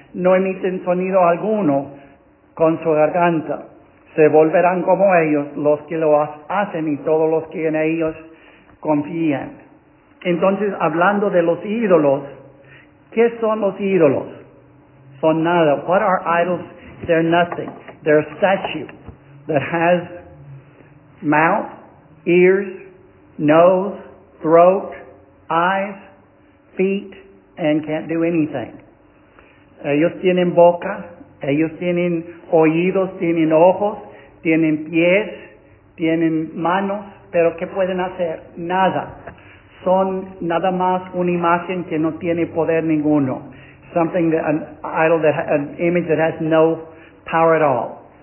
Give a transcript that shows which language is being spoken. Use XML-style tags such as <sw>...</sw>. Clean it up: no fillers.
<es>No emiten sonido alguno con su garganta. Se volverán como ellos los que lo hacen y todos los que en ellos confían. Entonces, hablando de los ídolos, ¿qué son los ídolos? Son nada.</es> <en>What are idols? They're nothing. They're a statue that has mouth, ears, nose, throat, eyes, feet, and can't do anything.</en> <es>Ellos tienen boca, ellos tienen oídos, tienen ojos, tienen pies, tienen manos, pero ¿qué pueden hacer? Nada. Son nada más una imagen que no tiene poder ninguno.</es> <en>Something that, an idol that, an image that has no power at all.</en>